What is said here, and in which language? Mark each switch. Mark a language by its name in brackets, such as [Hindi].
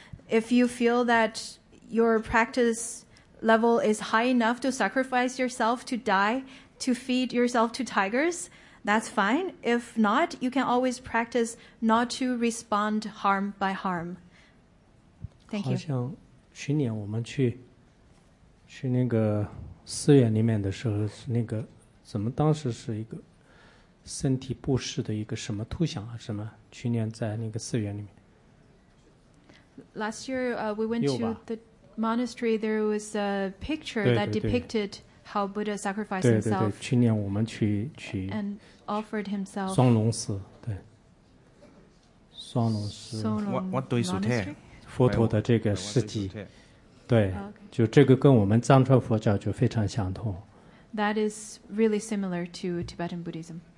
[English] If you feel that your practice level is high enough to sacrifice yourself to die to feed yourself to tigers, that's fine. If not, you can always practice not to respond harm by harm. Thank you. [Chinese] 好像去年我们去那个寺院里面的时候，是那个怎么当时是一个身体布施的一个什么图像啊？什么？去年在那个寺院里面。 [English] Last year, we went to the monastery. There was a picture that depicted how Buddha sacrificed himself. [Chinese] 对对对，去年我们去 [English] and offered himself. [Chinese] 双龙寺，对。双龙寺。 [English] What do you say? [Chinese] 佛陀的这个事迹。对，就这个跟我们藏传佛教就非常相同。 [English] That is really similar to Tibetan Buddhism.